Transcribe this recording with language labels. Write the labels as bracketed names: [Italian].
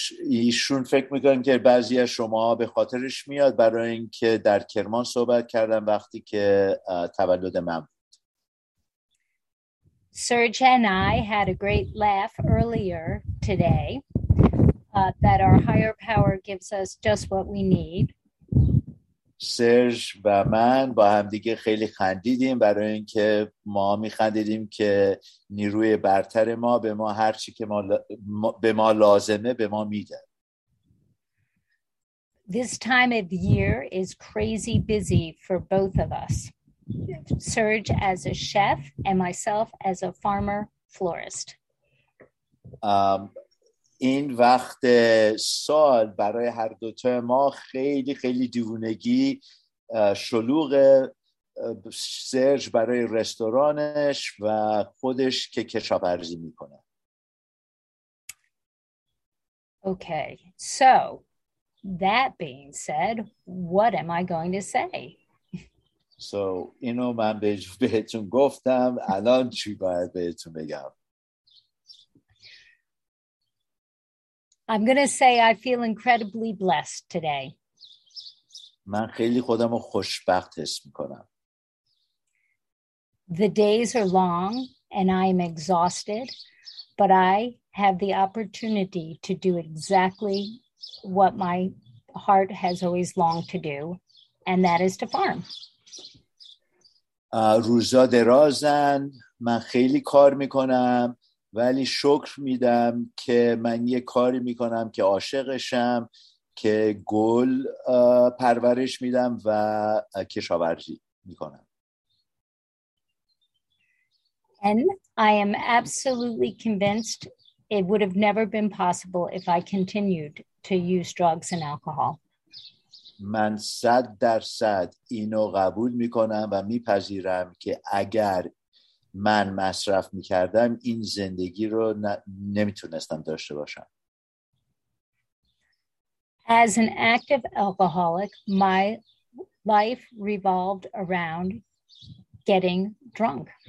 [Persian] ایشون فکر میکنم که بعضی از شما به خاطرش میاد برای اینکه در کرمان صحبت کردم وقتی که تولد من بود. [English] Serge and I had a great laugh earlier today that our higher power gives us just what we need. [Persian] سرژ و من با هم دیگه خیلی خندیدیم برای اینکه ما میخندیدیم که نیروی برتر ما به ما هر چی که به ما لازمه به ما میده. [English] This time of year is crazy busy for both of us. Serge as a chef and myself as a farmer florist. [Persian] این وقت سال برای هر دوتا ما خیلی خیلی دیوونگی شلوغ. سرژ برای رستورانش و خودش که کشاورزی میکنه. [English] Okay, so that being said, what am I going to say? [Persian] So اینو من بهتون گفتم، الان چی باید بهتون بگم؟ [English] I'm going to say I feel incredibly blessed today. [Persian] من خیلی خودم رو خوشبخت حس می‌کنم. [English] The days are long and I am exhausted, but I have the opportunity to do exactly what my heart has always longed to do, and that is to farm. [Persian] روزا درازن، من خیلی کار می‌کنم. ولی شکر میدم که من یه کاری میکنم که عاشقشم، که گل پرورش میدم و کشاورزی میکنم. [English] And I am absolutely convinced it would have never been possible if I continued to use drugs and alcohol. [Persian] من 100% اینو قبول میکنم و میپذیرم که اگر من مصرف می‌کردم این زندگی رو نمی‌تونستم داشته باشم. [English] As an active alcoholic, my life revolved around getting drunk.